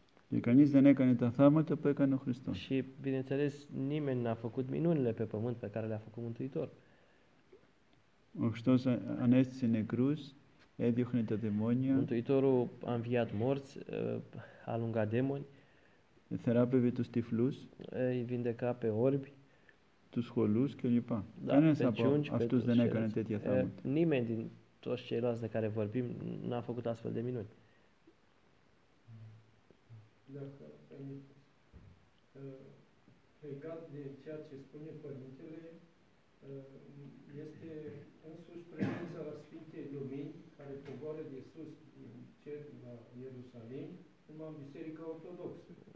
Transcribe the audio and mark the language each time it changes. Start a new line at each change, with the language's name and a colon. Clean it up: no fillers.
Greek: Και κανείς δεν έκανε τα θαύματα που έκανε ο Χριστός.
Romanian: Și bineînțeles, nimeni n-a făcut minunile pe pământ pe care le-a făcut Mântuitorul.
Greek: Ο Χριστός ανέστησε νεκρούς. Έδιωχνε τα δαιμόνια.
Romanian: Mântuitorul a înviat morți, alunga demoni.
Greek: Θεράπευε τους τυφλούς.
Romanian: Vindeca pe orbi.
Greek: Τους χολούς και λοιπά. Κανένας από αυτούς δεν έκανε τέτοια θαύματα.
Romanian: Nimeni din toți ceilalți de care vorbim n-a făcut astfel de minuni. Legat de ceea ce spune Părintele, este însuși prezența la Sfintei Lumini, care coboară de sus din cer la Ierusalim, numai în Biserica Ortodoxă.